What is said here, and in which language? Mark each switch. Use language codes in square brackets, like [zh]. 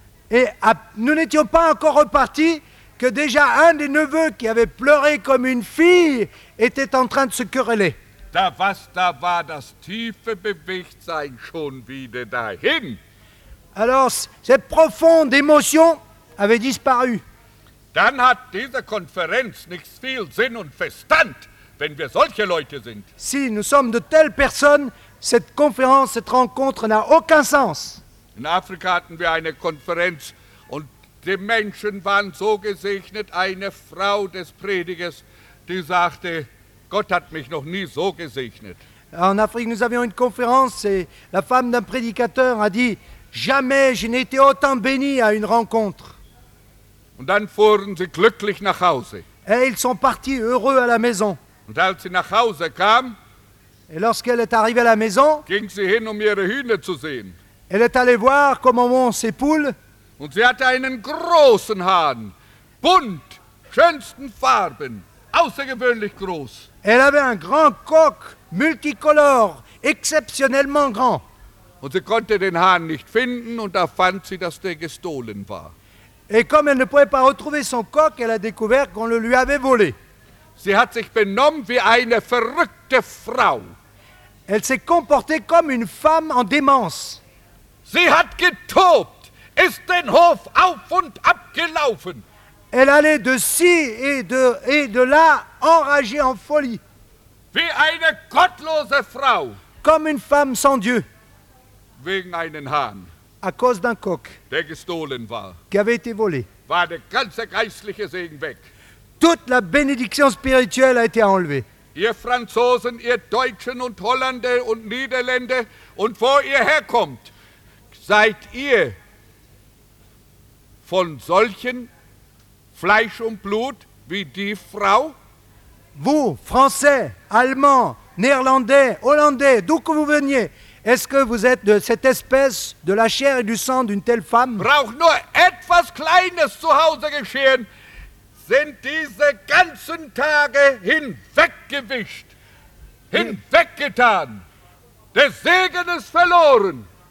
[fr] Et nous n'étions pas encore repartis, que déjà un des neveux qui avait pleuré comme une fille était en train de se quereller. [de] Da war das tiefe Bewegtsein schon wieder dahin. [fr] Alors, cette profonde émotion avait disparu. [de] Dann hat diese Konferenz nicht viel Sinn und Verstand, wenn wir solche Leute sind. [fr] Si nous sommes de telles personnes, cette conférence, cette rencontre n'a aucun sens. [de] In Afrika hatten wir eine Konferenz und die Menschen waren so gesegnet. Eine Frau des Predigers, die sagte, Gott hat mich noch nie so gesegnet. [fr] En Afrique, nous avions une conférence et la femme d'un prédicateur a dit, jamais je n'ai été autant béni à une rencontre. [de] Und dann fuhren sie glücklich nach Hause. [fr] Et ils sont partis heureux à la maison. [de] Und als sie nach Hause kam, [fr] et lorsqu'elle est arrivée à la maison, [de] ging sie hin, um ihre Hühner zu sehen. [fr] Elle est allée voir comment vont ses poules. [de] Und sie hatte einen großen Hahn, bunt, schönsten Farben, außergewöhnlich groß. [fr] Elle avait un grand coq, multicolore, exceptionnellement grand. [de] Und sie konnte den Hahn nicht finden und da fand sie, dass der gestohlen war. [fr] Et comme elle ne pouvait pas retrouver son coq, elle a découvert qu'on le lui avait volé. [de] Sie hat sich benommen wie eine verrückte Frau. [fr] Elle s'est comportée comme une femme en démence. [de] Sie hat getobt, ist den Hof auf und ab gelaufen. [fr] Elle allait de ci et de là, enragée en folie. [de] Wie eine gottlose Frau. [fr] Comme une femme sans Dieu. [de] Wegen einen Hahn. [fr] À cause d'un coq [de] der gestohlen war, [fr] qui avait été volé. [de] War der ganze geistliche Segen weg. [fr] Toute la bénédiction spirituelle a été enlevée. [de] Ihr Franzosen, ihr Deutschen und Hollande und Niederländer und wo ihr herkommt, seid ihr von solchen Fleisch und Blut wie die Frau? [fr] Vous, Français, Allemands, Néerlandais, Hollandais, d'où que vous veniez, est-ce que vous êtes de cette espèce, de la chair et du sang d'une telle femme? [de] Braucht nur etwas Kleines zu Hause geschehen, sind diese ganzen Tage hinweggewischt, hinweggetan. Der Segen ist verloren.